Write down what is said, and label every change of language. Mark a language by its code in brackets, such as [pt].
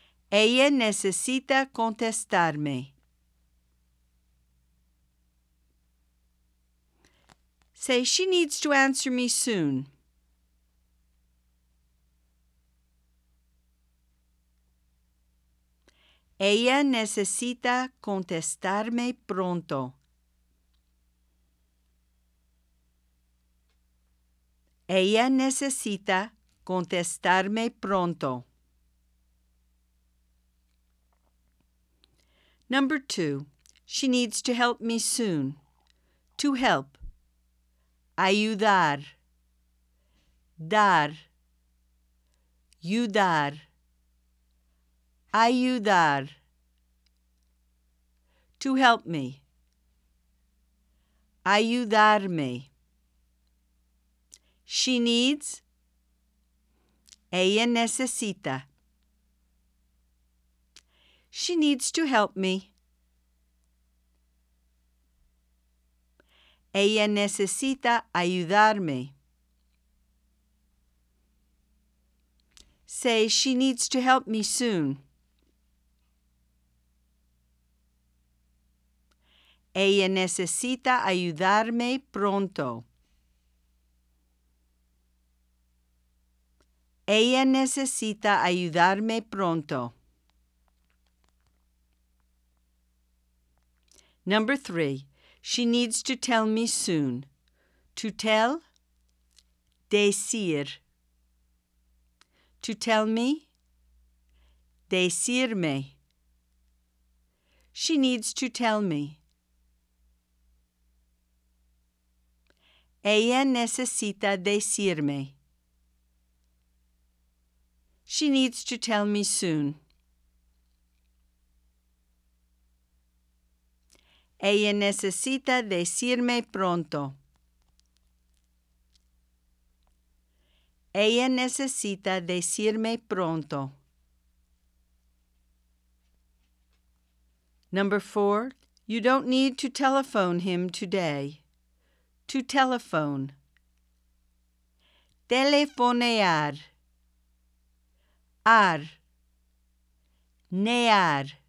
[es] Ella necesita contestarme. [en] Say, she needs to answer me soon. [es] Ella necesita contestarme pronto. Ella necesita contestarme pronto. [en] Number 2. She needs to help me soon. To help. [es] Ayudar. Dar. Ayudar. Ayudar. [en] To help me. [es] Ayudarme. [en] She needs. [es] Ella necesita. [en] She needs to help me. [es] Ella necesita ayudarme. [en] Say, she needs to help me soon. [es] Ella necesita ayudarme pronto. Ella necesita ayudarme pronto. [en] Number 3. She needs to tell me soon. To tell? [es] Decir. [en] To tell me? [es] Decirme. [en] She needs to tell me. [es] Ella necesita decirme. [en] She needs to tell me soon. [es] Ella necesita decirme pronto. Ella necesita decirme pronto. [en] Number 4. You don't need to telephone him today. To telephone. [es] Telefonear. Ar. Near.